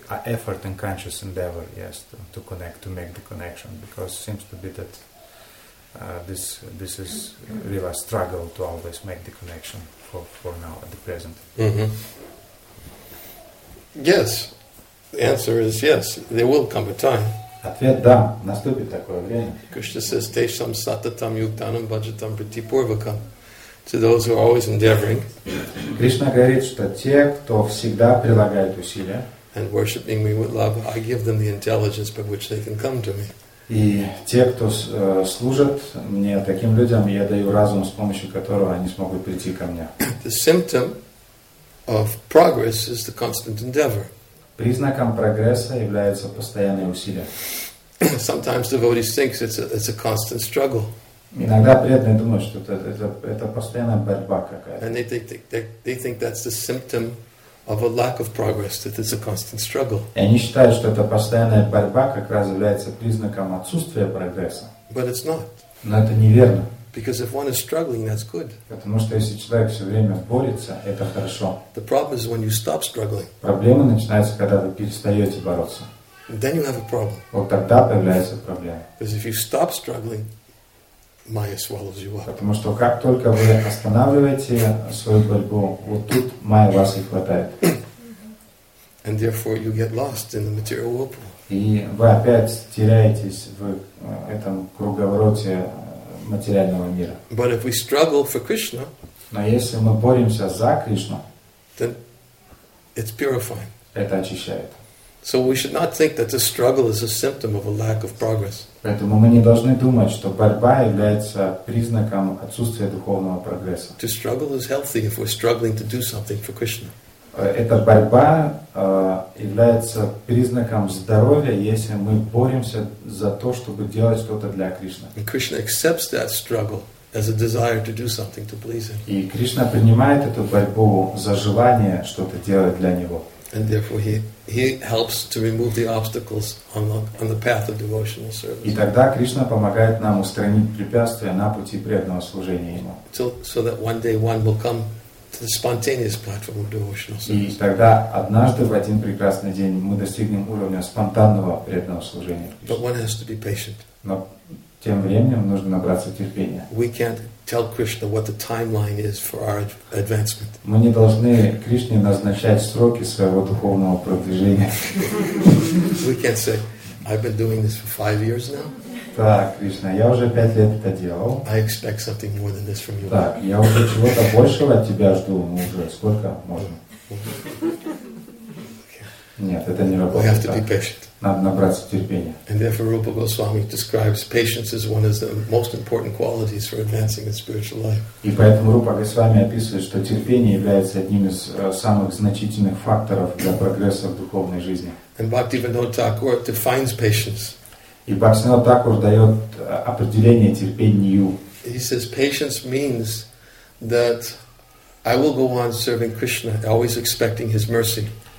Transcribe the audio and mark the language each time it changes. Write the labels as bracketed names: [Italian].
[English] Effort and conscious endeavor, yes, to connect, to make the connection, because it seems to be that this is really a struggle to always make the connection for now, at the present. Mm-hmm. Yes. The answer is yes, there will come a time. [Russian] Ответ – да, наступит такое время. [English] Krishna says, [Sanskrit] tesham satatam yuktanam bhajatam pratipurvakam. [English] To those who are always endeavoring. [Russian] Krishna говорит, что те, кто всегда прилагает усилия, [English] and worshipping me with love, I give them the intelligence by which they can come to me. [Russian] И те, кто служат мне, таким людям, я даю разум, с помощью которого они смогут прийти ко мне. [English] The symptom of progress is the constant endeavor. [Russian] Признаком прогресса является постоянное усилие. [English] Sometimes devotees think it's a constant struggle. [Russian] Иногда преданные думают, что это постоянная борьба какая-то. [English] And they think that's the symptom of a lack of progress, that it's a constant struggle. [Russian] И они считают, что эта постоянная борьба как раз является признаком отсутствия прогресса. [English] But it's not. [Russian] Но это неверно. [English] Because if one is struggling, that's good. [Russian] Потому что если человек все время борется, это хорошо. [English] The problem is when you stop struggling. [Russian] Проблема начинается, когда вы перестаете бороться. [English] Then you have a problem. [Russian] Вот тогда появляется проблема. [English] Because if you stop struggling, Maya swallows you up. [Russian] Потому что как только вы останавливаете свою борьбу, вот тут Майя вас и хватает. [English] And therefore you get lost in the material whirlpool. [Russian] И вы опять теряетесь в этом круговороте материального мира. [English] But if we struggle for Krishna, [Russian] но если мы боремся за Кришну, [English] then it's purifying. [Russian] Это очищает. [English] So we should not think that the struggle is a symptom of a lack of progress. [Russian] Поэтому мы не должны думать, что борьба является признаком отсутствия духовного прогресса. [English] To struggle is healthy if we're struggling to do something for Krishna. [Russian] Эта борьба является признаком здоровья, если мы боремся за то, чтобы делать что-то для Кришны. [English] And Krishna accepts that struggle as a desire to do something to please Him. [Russian] И Кришна принимает эту борьбу за желание что-то делать для Него. [English] And therefore he helps to remove the obstacles on the path of devotional service. [Russian] И тогда Кришна помогает нам устранить препятствия на пути преданного служения Ему. [English] So that one day one will come to the spontaneous platform of devotional service. [Russian] И тогда однажды в один прекрасный день мы достигнем уровня спонтанного преданного служения. [English] But one has to be patient. [Russian] Но тем временем нужно набраться терпения. [English] We can't tell Krishna what the timeline is for our advancement. [Russian] Мы не должны Кришне назначать сроки своего духовного продвижения. [English] We can't say, I've been doing this for 5 years now. [Russian] Так, Кришна, я уже 5 лет это делал. [English] I expect something more than this from you. [Russian] Так, я уже чего-то большего от тебя жду. Мы уже сколько можем? Нет, это не работает. [English] We have to be patient. [Russian] Надо набраться терпения. [English] And therefore Rupa Goswami describes patience as one of the most important qualities for advancing in spiritual life. [Russian] И поэтому Рупа Госвами описывает, что терпение является одним из самых значительных факторов для прогресса в духовной жизни. [English] And Bhaktivinoda Thakur defines patience. [Russian] И Бхактивинода Тхакур дает определение терпению. [English] He says patience means that I will go on serving Krishna, always expecting His mercy.